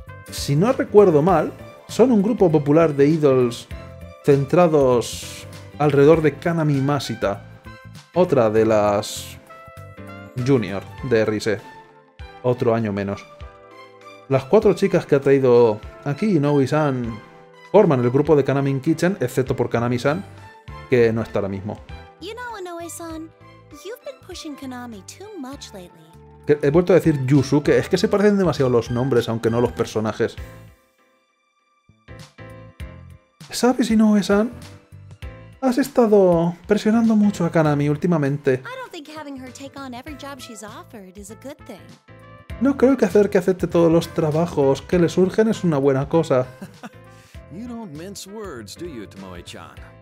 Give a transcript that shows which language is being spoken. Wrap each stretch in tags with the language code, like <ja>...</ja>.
<es>Si no recuerdo mal, son un grupo popular de Idols centrados alrededor de Kanami Masita, otra de las Junior de Rise, otro año menos. Las cuatro chicas que ha traído aquí, Inoue-san, forman el grupo de Kanamin Kitchen, excepto por Kanami-san, que no está ahora mismo.</es> <en>You know, Inoue-san, you've been pushing Kanami too much lately.</en> <es>He vuelto a decir Yusuke, es que se parecen demasiado los nombres, aunque no los personajes. ¿Sabes, Inoue-san? Has estado presionando mucho a Kanami últimamente.</es> <en>I don't think having her take on every job she's offered is a good thing.</en> <es>No creo que hacer que acepte todos los trabajos que le surgen es una buena cosa.</es> <en>You don't mince words, do you, Tomoe-chan?</en>